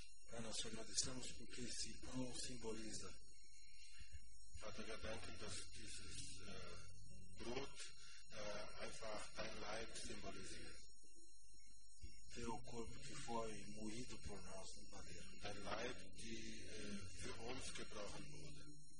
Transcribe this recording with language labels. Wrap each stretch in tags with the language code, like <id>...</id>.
<pt>Pai, nós te agradecemos porque esse pão simboliza.</pt> <de>Vater, wir danken, dass dieses Brot einfach dein Leib symbolisiert.</de> <pt>Teu corpo que foi moído por nós no madeiro.</pt> <de>Dein Leib, die für uns gebrochen wurde.</de>